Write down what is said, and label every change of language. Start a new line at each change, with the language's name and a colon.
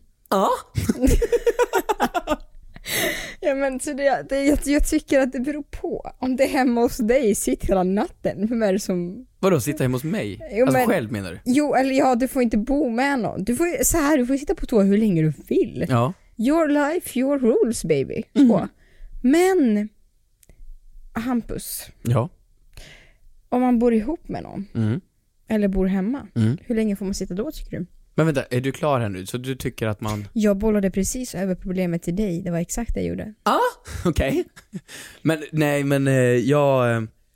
Swedish: Ja. Ja, men så jag tycker att det beror på. Om det är hemma hos dig, sitter hela natten. Vem är det som... Vadå, sitta hemma hos mig? Jo, alltså, men, själv menar du? Jo, eller ja, du får inte bo med någon. Du får, så här, du får sitta på toa hur länge du vill. Ja.
English: Your life, your rules, baby.
Swedish: Så. Mm. Men, Hampus. Ja. Om man bor ihop med någon. Mm. Eller bor hemma. Mm. Hur länge får man sitta då, tycker du? Men vänta, är du klar här nu? Så du tycker att man... Jag bollade precis över problemet till dig. Det var exakt det jag gjorde. Ah, okej. Okay. Men nej, men jag...